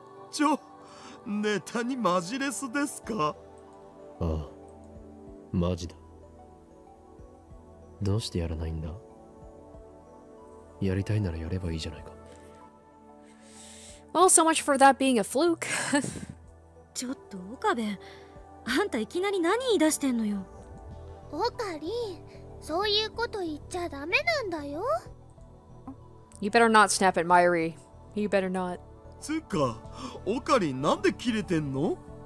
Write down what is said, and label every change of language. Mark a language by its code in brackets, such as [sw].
[ja] ちょ、ネタにマジレスですか？ああ、マジだ。どうしてやらないんだ？やりたいならやればいいじゃないか。 [en] Well, so much for that being a fluke. [ja] ちょっと、岡部。あんたいきなり何言い出してんのよ。オカリン、そういうこと言っちゃダメなんだよ。 [en] You better not snap at Mayuri. You better not. [ja] つうか、オカリン、なんで切れてんの？